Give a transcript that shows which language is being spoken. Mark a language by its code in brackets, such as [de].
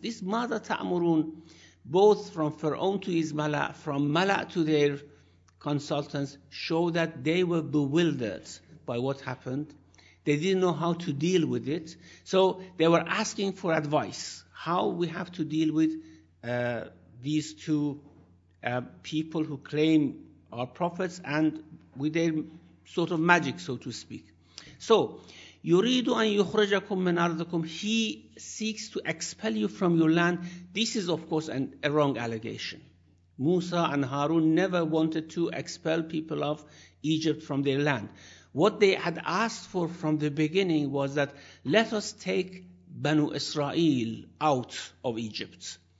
[en] This ماذا تأمرون, both from Pharaoh to his Mala, from Mala to their consultants, show that they were bewildered by what happened. They didn't know how to deal with it. So they were asking for advice, how we have to deal with these two people who claim are prophets and with their sort of magic, so to speak. [ar] So, يُرِيدُ أَن يُخْرَجَكُم مِّنْ أَرْضِكُمْ. [en] He seeks to expel you from your land. This is, of course, a wrong allegation. Musa and Harun never wanted to expel people of Egypt from their land. What they had asked for from the beginning was that, let us take Banu Israel out of Egypt.